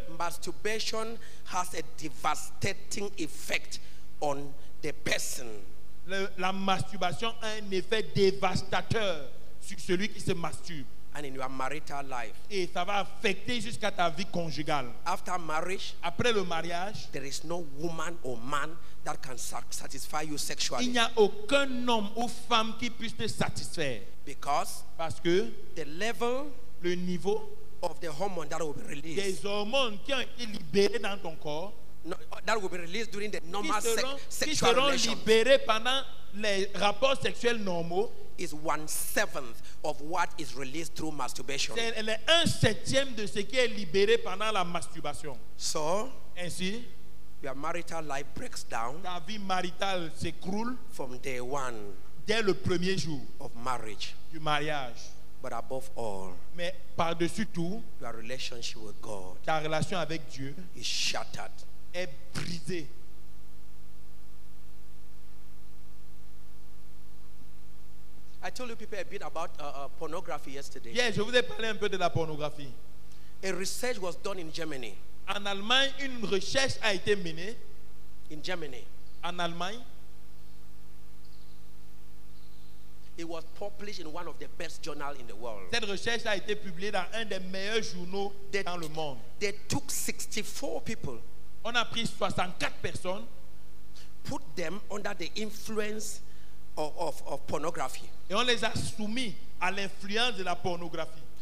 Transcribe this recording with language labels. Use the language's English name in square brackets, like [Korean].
[English] Masturbation has a devastating effect on the person. [French] La masturbation a un effet dévastateur sur celui qui se masturbe. [English] And in your marital life. [French] Et ça va affecter jusqu'à ta vie conjugale. [English] After marriage. [French] Après le mariage. [English] There is no woman or man that can satisfy you sexually. [French] Il n'y a aucun homme ou femme qui puisse te satisfaire. [English] Because [French] parce que [English] the level, [French] le niveau [English] of the hormone that will be released, [French] des hormones qui ont été libérées dans ton corps, [English] no, that will be released during the normal [French] qui seront, [English] sexual [French] qui seront [English] relations, [French] libérées pendant les rapports sexuels normaux, [English] is 1/7 of what is released through masturbation. [French] Elle est 1/7 de ce qui est libéré pendant la masturbation. [English] So [French] ainsi [English] your marital life breaks down. [French] Ta vie maritale s'écroule [English] from day one. [French] Dès le premier jour [English] of marriage. [French] Du mariage. [English] But above all, [French] mais par-dessus tout, [English] your relationship with God. [French] Ta relation avec Dieu [English] is shattered. [French] Est brisée. [English] I told you people a bit about pornography yesterday. [French] Yes, je vous ai parlé un peu de la pornographie. [English] A research was done in Germany. [French] En Allemagne, une recherche a été menée. [English] In Germany. [French] En Allemagne. [English] It was published in one of the best journals in the world. [French] Cette recherche a été publiée dans un des meilleurs journaux dans le monde. [English] They took 64 people. [French] On a pris 64 personnes. [English] Put them under the influence of pornography. [French] Et on les a soumis à l'influence de la pornographie.